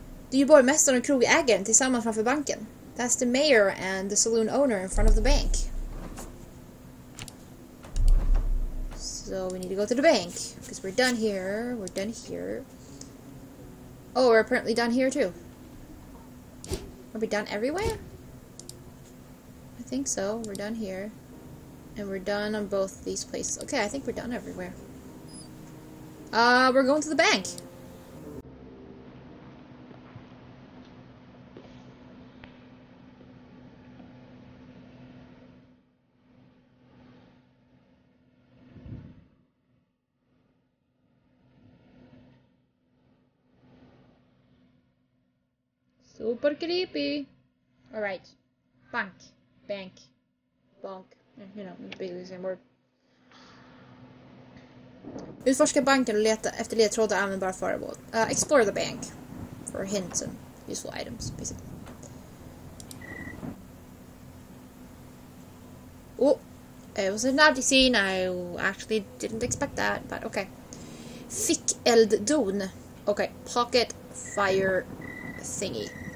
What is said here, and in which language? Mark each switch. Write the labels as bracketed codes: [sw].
[sv] Du är ju borgmästaren och krogägaren tillsammans framför banken. [en] That's the mayor and the saloon owner in front of the bank. So we need to go to the bank. Because we're done here. We're done here. Oh, we're apparently done here too. Are we done everywhere? I think so. We're done here. And we're done on both these places. Okay, I think we're done everywhere. We're going to the bank! Super creepy. All right, bank. Basically the same word. [sv] Utforska banken och leta efter ledtrådar och användbara föremål. [en] Explore the bank for hints and useful items, basically. Oh, it was a Nazi scene. I actually didn't expect that, but okay. [sv] Fick elddon. [en] Okay, pocket fire thingy.